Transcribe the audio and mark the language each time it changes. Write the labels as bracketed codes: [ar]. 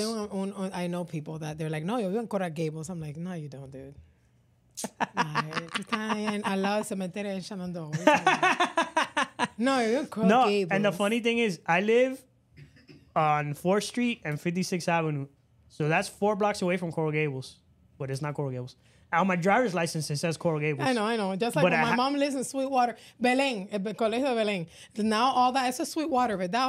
[es] Yo tengo un, [en] I know people that they're like, no, [es] yo vivo en Coral Gables. [en] I'm like, no, you don't, dude. [es] Están en al lado del cementerio de Shenandoah. No, yo vivo en Coral Gables. [en] And the funny thing is, I live on 4th Street and 56th Avenue. So that's 4 blocks away from Coral Gables. But it's not Coral Gables. On my driver's license, it says Coral Gables. I know. Just like when my mom lives in Sweetwater. [es] Belén, el colegio de Belén. [en] Now all that, [es] eso es Sweetwater, ¿verdad?